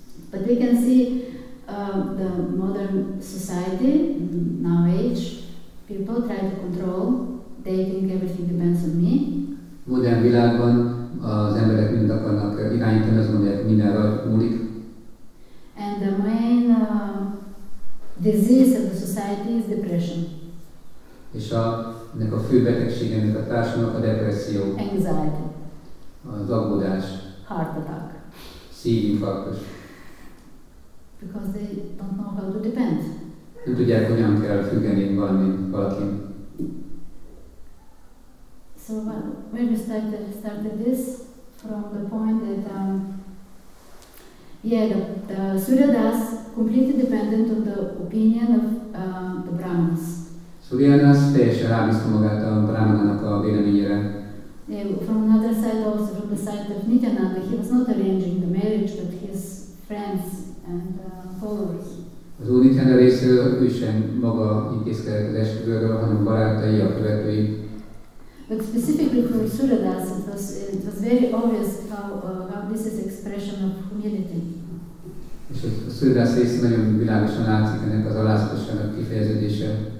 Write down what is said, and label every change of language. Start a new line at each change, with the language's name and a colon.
English: But we can see the modern society, now age, people try to control. They think everything depends on me.
Hungarian: Modern világban az emberek mind akarnak irányítani, azt mondják, minden rajta múlik.
English: And the main disease of the society is depression.
Hungarian: És ennek a fő betegségének a társadalomnak a depresszió.
English: Anxiety.
Hungarian: Az aggódás.
English: Heart attack.
Hungarian: Szívinfarktus.
English: Because they don't know how to depend.
Hungarian: Nem tudják, hogyan kell függeni valakin.
English: So when we started this from the point that the Suryadas completely dependent on the opinion of the Brahmins.
Hungarian: Suryadas teljesen rábízta magát a Brahmanának a véleményére.
English: From another side also, from the side of Nityananda, he was not arranging the marriage, but his friends and followers.
Hungarian: Az Úr Nityananda részéről ő sem maga intézkedett az esküvőről, hanem barátai, a követői.
English: But specifically for Suryadas, it was very obvious how this is expression of humility.
Hungarian: És a Suryadas része nagyon világosan látszik ennek az alázatosságnak kifejeződése.